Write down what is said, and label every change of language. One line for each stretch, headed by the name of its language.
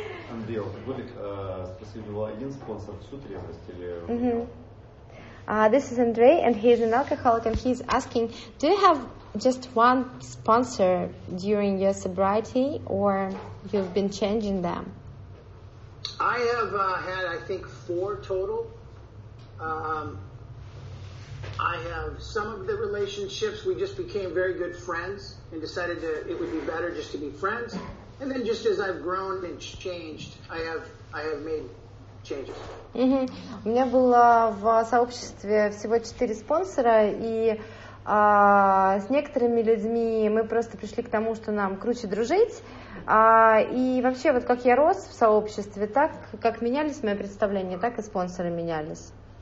Russian: Андрей, алкоголик, спросили, был один спонсор всю трезвость или...
English: This is Andrei, and he is an alcoholic, and he's asking, do you have just one sponsor during your sobriety, or you've been changing them? I have had, I think, 4 total. I have some of the relationships, we just became very good friends and decided that it would be better just to be friends. And then just as I've grown and changed, I have made changes.
Russian: У меня было в сообществе всего 4 спонсора, и с некоторыми людьми мы просто пришли к тому, что нам круче дружить. И вообще, вот как я рос в сообществе, так как менялись мои представления, так и спонсоры менялись.